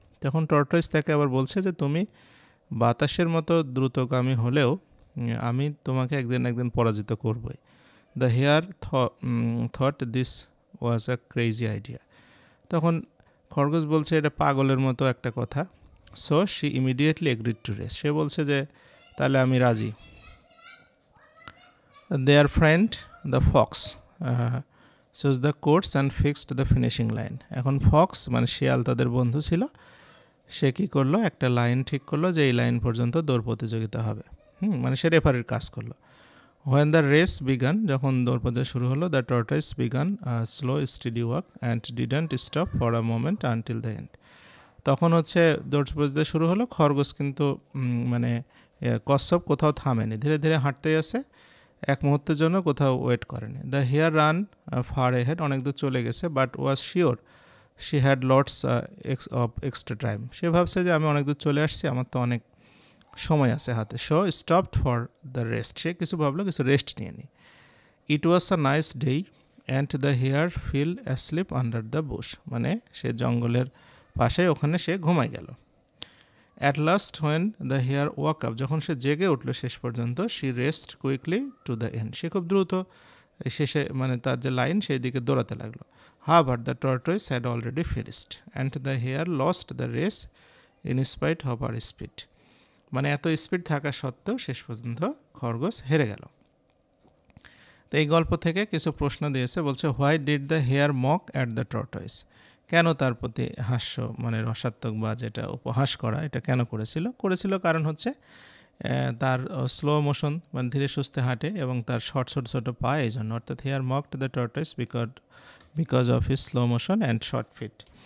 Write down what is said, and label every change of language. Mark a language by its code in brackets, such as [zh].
[bn] তখন টর্টয়েস তাকে আবার বলছে যে তুমি বাতাসের মতো দ্রুতগামী হলেও আমি তোমাকে একদিন একদিন পরাজিত করবই। [en] The hare thought this was a crazy idea. [bn] তখন খরগোশ বলছে এটা পাগলের মতো একটা কথা। [en] so she immediately agreed to race, [bn] সে বলছে যে তাহলে আমি রাজি, [en] their friend the fox chose the course and fixed the finishing line. [bn] এখন ফক্স মানে শিয়াল তাদের বন্ধু ছিল, সে কী করলো, একটা লাইন ঠিক করলো যে এই লাইন পর্যন্ত দৌড় প্রতিযোগিতা হবে, মানে সে রেফারির কাজ করলো। [en] When the race began, [bn] যখন দৌড় প্রতিযোগিতা শুরু হলো, [en] the tortoise began a slow steady walk and didn't stop for a moment until the end. [bn] তখন হচ্ছে দৌড় প্রতিযোগিতা শুরু হলো, খরগোশ কিন্তু মানে কচ্ছপ কোথাও থামেনি, ধীরে ধীরে হাঁটতে আসে, এক মুহূর্তের জন্য কোথাও ওয়েট করেনি। [en] the hare ran far ahead, [bn] অনেক দূর চলে গেছে, [en] but was sure she had lots of extra time, [bn] সে ভাবছে যে আমি অনেক দূর চলে আসছি, আমার তো অনেক সময় আছে হাতে। [en] so stopped for the rest, [bn] সে কিছু ভাবলো, কিছু রেস্ট নিয়ে নি। [en] it was a nice day and the hare fell asleep under the bush, [bn] মানে সে জঙ্গলের পাশে ওখানে সে ঘুমাই গেল। [en] At last, when the hare woke up, [bn] যখন সে জেগে উঠলো শেষ পর্যন্ত, [en] she rested quickly to the end, [bn] সে খুব দ্রুত শেষে মানে তার যে লাইন সেই দিকে দৌড়াতে লাগলো। [en] However, the tortoise had already finished and the hare lost the race in spite of her speed, [bn] মানে এত স্পিড থাকা সত্ত্বেও শেষ পর্যন্ত খরগোশ হেরে গেল। তো এই গল্প থেকে কিছু প্রশ্ন দিয়েছে, বলছে [en] why did the hare mock at the tortoise, [bn] কেন তার প্রতি হাস্য মানে রসাত্মক বা যেটা উপহাস করা এটা কেন করেছিল, করেছিল কারণ হচ্ছে তার স্লো মোশন মানে ধীরে সুস্থে হাঁটে এবং তার শর্ট শর্ট শর্ট পা এই জন্য, অর্থাৎ [en] Hare mocked the tortoise because of his slow motion and short feet.